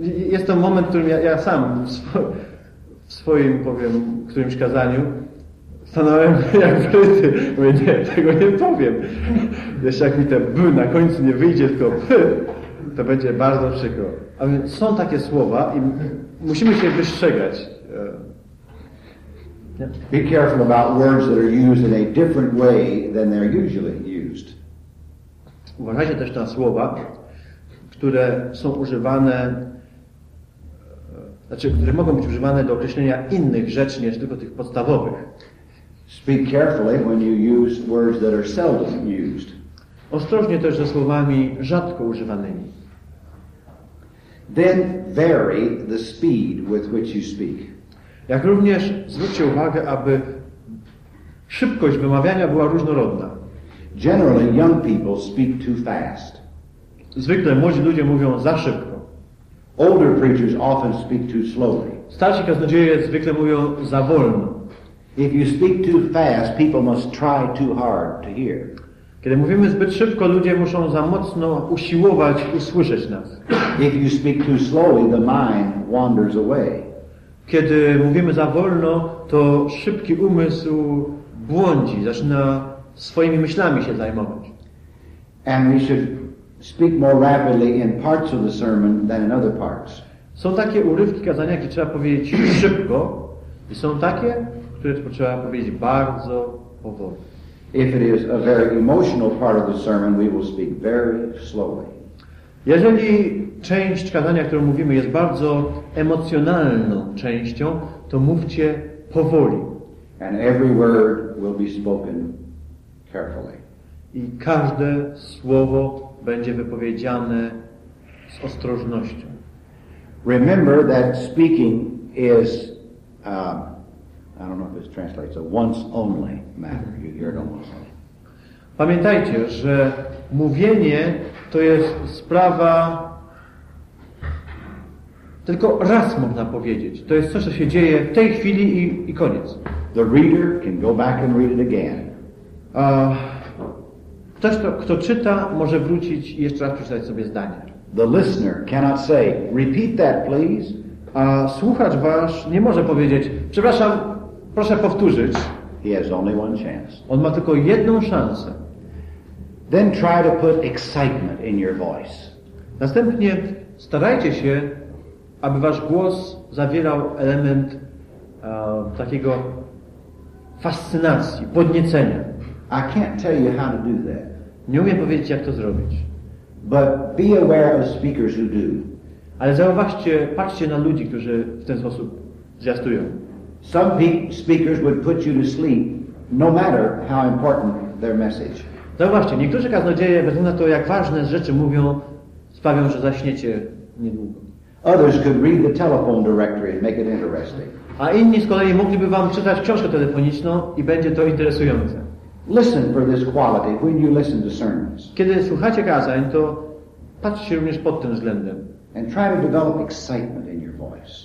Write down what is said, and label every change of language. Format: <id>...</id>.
<pl>Jest to moment, w którym ja sam w swoim, powiem, którymś kazaniu stanąłem jak wryty. Mówię, nie, tego nie powiem. Jeszcze jak mi te b na końcu nie wyjdzie, tylko p, to będzie bardzo przykro. A więc są takie słowa i musimy się wystrzegać.</pl> <en>Be careful about words that are used in a different way than they're usually used.</en> <pl>Uważajcie też na słowa, które są używane, znaczy, które mogą być używane do określenia innych rzeczy, niż tylko tych podstawowych.</pl> <en>Speak carefully when you use words that are seldom used.</en> <pl>Ostrożnie też ze słowami rzadko używanymi.</pl> <en>Then vary the speed with which you speak.</en> <pl>Jak również zwróćcie uwagę, aby szybkość wymawiania była różnorodna.</pl> <en>Generally, young people speak too fast.</en> <pl>Zwykle młodzi ludzie mówią za szybko.</pl> <en>Older preachers often speak too slowly.</en> <pl>Starsi kaznodzieje zwykle mówią za wolno.</pl> <en>If you speak too fast, people must try too hard to hear.</en> <pl>Kiedy mówimy zbyt szybko, ludzie muszą za mocno usiłować usłyszeć nas.</pl> <en>If you speak too slowly, the mind wanders away.</en> <pl>Kiedy mówimy za wolno, to szybki umysł błądzi, zaczyna swoimi myślami się zajmować.</pl> <en>And we should speak more rapidly in parts of the sermon than in other parts.</en> <pl>Są takie urywki kazania, gdzie trzeba powiedzieć szybko i są takie, które trzeba powiedzieć bardzo powoli.</pl> <en>If it is a very emotional part of the sermon, we will speak very slowly.</en> <pl>Jeżeli część kazania, którą mówimy, jest bardzo emocjonalną częścią, to mówcie powoli.</pl> <en>And every word will be spoken carefully.</en> <pl>I każde słowo będzie wypowiedziane z ostrożnością.</pl> <en>Remember that speaking is, I don't know if this translates, a once only matter. You hear it almost.</en> <pl>Pamiętajcie, że mówienie to jest sprawa, tylko raz można powiedzieć. To jest coś, co się dzieje w tej chwili i koniec.</pl> <en>The reader can go back and read it again.</en> <pl>Ktoś, kto czyta, może wrócić i jeszcze raz przeczytać sobie zdanie.</pl> <en>The listener cannot say, repeat that, please.</en> <pl>A słuchacz wasz nie może powiedzieć, przepraszam, proszę powtórzyć.</pl> <en>He has only one chance.</en> <pl>On ma tylko jedną szansę.</pl> <en>Then try to put excitement in your voice.</en> <pl>Następnie starajcie się, aby wasz głos zawierał element takiego fascynacji, podniecenia.</pl> <en>I can't tell you how to do that.</en> <pl>Nie umiem powiedzieć, jak to zrobić.</pl> <en>But be aware of speakers who do.</en> <pl>Ale zauważcie, patrzcie na ludzi, którzy w ten sposób zwiastują.</pl> <en>Some speakers would put you to sleep, no matter how important their message.</en> <pl>Zauważcie, niektórzy kaznodzieje, bez względu na to, jak ważne rzeczy mówią, sprawią, że zaśniecie niedługo.</pl> <en>Others could read the telephone directory and make it interesting.</en> <pl>A inni z kolei mogliby wam czytać książkę telefoniczną i będzie to interesujące.</pl> <en>Listen for this quality when you listen to sermons.</en> <pl>Kiedy słuchacie kazań, to patrzcie również pod tym względem.</pl> <en>And try to develop excitement in your voice.</en>